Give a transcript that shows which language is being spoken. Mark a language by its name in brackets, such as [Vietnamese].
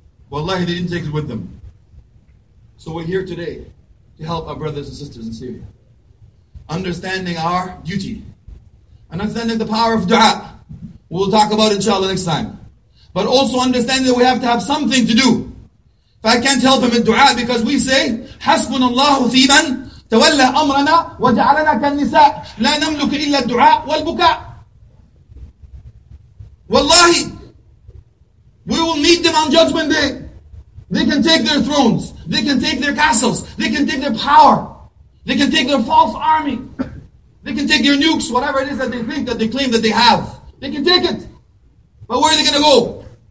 [English] Wallahi, they didn't take it with them. So we're here today to help our brothers and sisters in Syria. Understanding our duty. Understanding the power of dua, we'll talk about inshallah next time. But also understanding that we have to have something to do. If I can't help him in dua, because we say, [Arabic] حَسْبُنَ اللَّهُ فِي مَنْ تَوَلَّى أَمْرَنَا وَجَعَلَنَا كَالنِّسَاءِ لَا نَمْلُكَ إِلَّا الدُّعَاء وَالْبُكَاءِ. [English] Wallahi, we will meet them on judgment day. They can take their thrones, they can take their castles, they can take their power, they can take their false army. They can take your nukes, whatever it is that they think, that they claim that they have. They can take it. But where are they going to go?